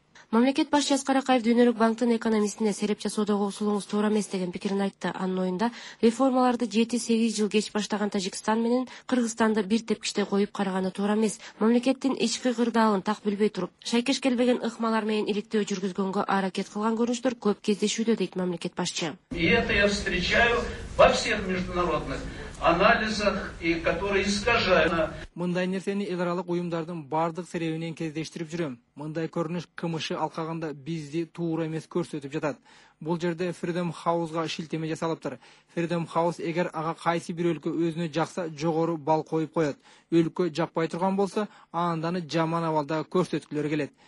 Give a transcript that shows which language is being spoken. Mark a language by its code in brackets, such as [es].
[ky] Мамлекет башчы Аскар Акаев дүйнөлүк банктын экономистине сереп жасоодогу усулуңуз туура эмес деген пикирин айтты. Анын оюнда реформаларды 7-8 жыл кеч баштаган Тажикстан менен Кыргызстанды бир тепкичте коюп караганы туура эмес. Мамлекеттин ички кырдаалын так билбей туруп, шайкеш келбеген ыкмалар менен иликтөө жүргүзгөнгө аракет кылган көрүнүштөр көп кездешүүдө, дейт мамлекет башчы. [ru] И это я встречаю во всех международных анализах, и которые искажают. [ky] Мындай нерсени эл аралык уюмдардын бардык серебинен кездештирип жүрөм. Мындай көрүнүш КМШ алкагында бизди туура эмес көрсөтүп жатат. Бул жерде Freedom House'га шилтеме жасалыптыр. Freedom House эгер ага кайсы бир өлкө өзүнө жакса жогору бал коюп коет. Өлкө жакпай турган болсо, анданы жаман абалда көрсөткүлөр келет.